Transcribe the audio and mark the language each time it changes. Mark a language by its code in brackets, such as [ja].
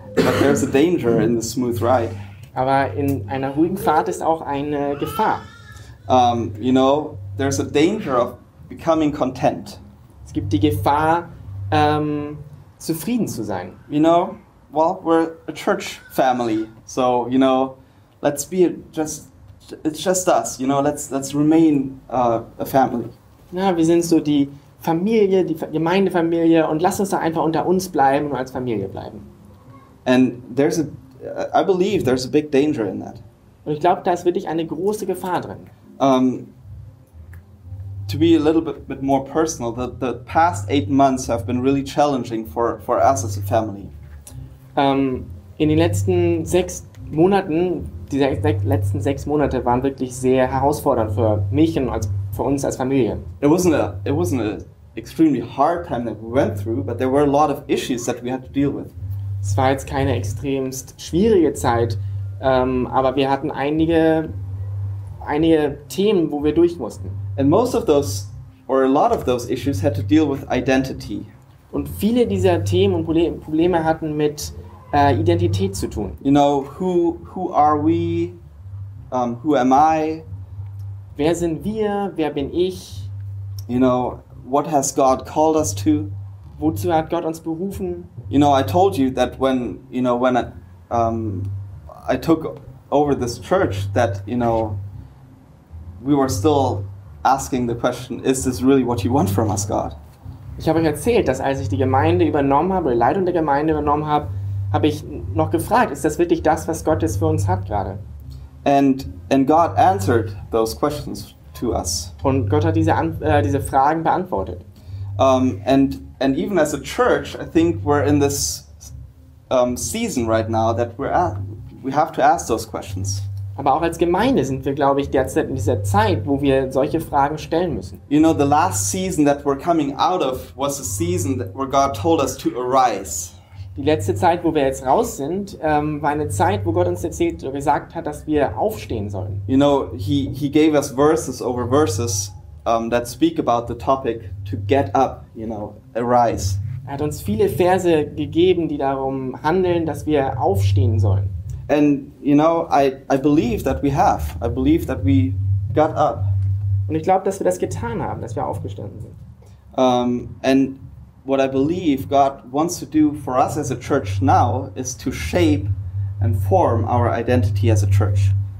[en] But there's a danger in the smooth ride. [de] Aber in einer ruhigen Fahrt ist auch eine Gefahr. [en] You know, there's a danger of becoming content. [de] Es gibt die Gefahr, zufrieden zu sein. [en] You know? Well, we're a church family, so, you know, let's be it's just us, you know, let's remain a family. [de] Na, wir sind so die Familie, die Gemeindefamilie und lass uns da einfach unter uns bleiben und als Familie bleiben. [en] And I believe there's a big danger in that. [de] Und ich glaube, da ist wirklich eine große Gefahr drin. [en] To be a little bit more personal, the past 8 months have been really challenging for us as a family. [de] In den letzten 6 Monaten, waren wirklich sehr herausfordernd für mich und für uns als Familie. [en] It wasn't a extremely hard time that we went through, but there were a lot of issues that we had to deal with. [de] Es war jetzt keine extremst schwierige Zeit, aber wir hatten einige Themen, wo wir durch mussten. [en] And most of those or a lot of those issues had to deal with identity. [de] Und viele dieser Themen und Probleme hatten mit Identität zu tun. [en] You know, who are we? Who am I? [de] Wer sind wir? Wer bin ich? [en] You know, what has God called us to? [de] Wozu hat Gott uns berufen? [en] You know, I told you that when, you know, when I took over this church, that, you know, we were still asking the question, is this really what you want from us, God? [de] Ich habe euch erzählt, dass als ich die Gemeinde übernommen habe, die Leitung der Gemeinde übernommen habe, habe ich noch gefragt, ist das wirklich das, was Gott jetzt für uns hat gerade? [en] And God answered those questions to us. [de] Und Gott hat diese Fragen beantwortet. [en] And even as a church, I think we're in this season right now that we have to ask those questions. [de] Aber auch als Gemeinde sind wir, glaube ich, derzeit in dieser Zeit, wo wir solche Fragen stellen müssen. [en] You know, the last season that we're coming out of was a season that where God told us to arise. [de] Die letzte Zeit, wo wir jetzt raus sind, war eine Zeit, wo Gott uns erzählt oder gesagt hat, dass wir aufstehen sollen. [en] You know, he gave us verses over verses that speak about the topic to get up, you know, arise. [de] Er hat uns viele Verse gegeben, die darum handeln, dass wir aufstehen sollen. [en] And you know, I believe that we have. I believe that we got up. [de] Und ich glaube, dass wir das getan haben, dass wir aufgestanden sind. [en] And what I believe God wants to do for us as a church now is to shape and form our identity as a church.